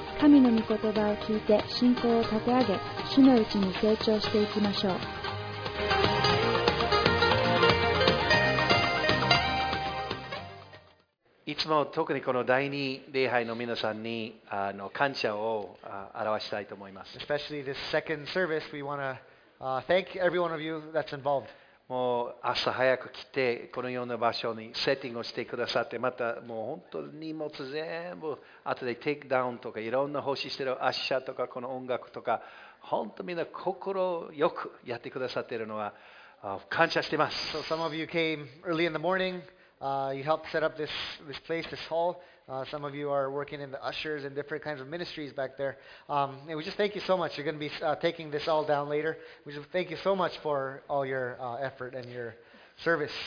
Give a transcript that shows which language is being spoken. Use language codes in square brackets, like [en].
[ja] 神の御言葉を聞いて信仰を立て上げ、主のうちに成長していきましょう。いつも特にこの第二礼拝の皆さんに感謝を表したいと思います。 [en] Especially this second service, we want to thank every one of you that's involved. [ja] もう朝早く来てこのような場所にセッティングをしてくださって、またもう本当に荷物全部後でテイクダウンとかいろんな奉仕してるアッシャーとかこの音楽とか本当みんな心よくやってくださっているのは感謝しています。 [en] So some of you came early in the morning. You helped set up this place, this hall. Some of you are working in the ushers and different kinds of ministries back there. And we just thank you so much. You're going to be taking this all down later. We just thank you so much for all your effort and your service.